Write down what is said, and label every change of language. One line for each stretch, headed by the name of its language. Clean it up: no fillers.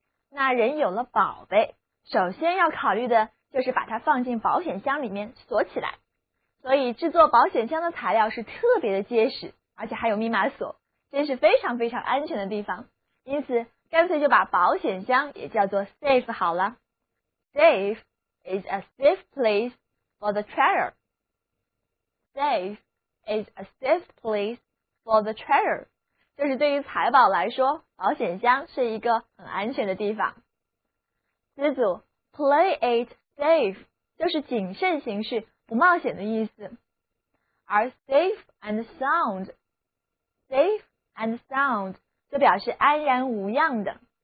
Chinese: 那人有了宝贝，首先要考虑的就是把它放进保险箱里面锁起来，所以制作保险箱的材料是特别的结实，而且还有密码锁，真是非常非常安全的地方。因此干脆就把保险箱也叫做 safe 好了。
English: Safe is a safe place for the treasure. Safe is a safe place for the treasure.
Chinese: 就是对于财宝来说，保险箱是一个很安全的地方。词组 play it safe 就是谨慎行事、不冒险的意思。而
English: safe and sound， safe and sound
Chinese: 就表示安然无恙的。